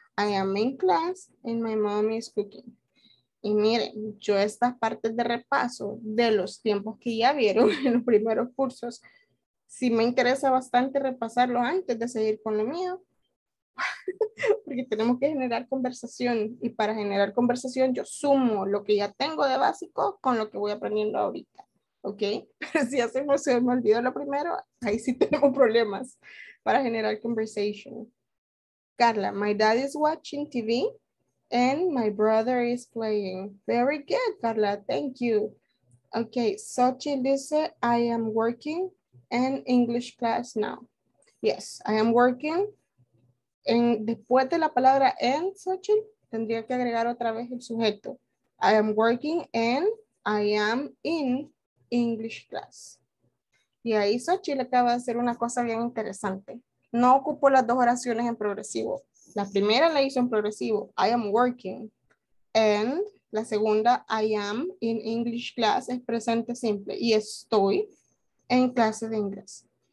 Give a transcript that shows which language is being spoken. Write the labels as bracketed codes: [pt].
[en] I am in class and my mom is cooking. [es] Y miren, yo estas partes de repaso de los tiempos que ya vieron en los primeros cursos, si me interesa bastante repasarlo antes de seguir con lo mío, Porque tenemos que generar conversación y para generar conversación yo sumo lo que ya tengo de básico con lo que voy aprendiendo ahorita. ¿Ok? Pero si hacemos, se me olvidó lo primero, ahí sí tenemos problemas para generar conversation. [en] Carla, my dad is watching TV and my brother is playing. Very good, Carla. Thank you. Ok, Xochitl [es] dice, [en] I am working in English class now. Yes, I am working. [es] En, después de la palabra en, Xochitl, tendría que agregar otra vez el sujeto. [en] I am working and I am in English class. [es] Y ahí Xochitl acaba de hacer una cosa bien interesante. No ocupó las dos oraciones en progresivo. La primera la hizo en progresivo. [en] I am working. And [es] la segunda, [en] I am in English class, [es] es presente simple. Y estoy en clase de inglés.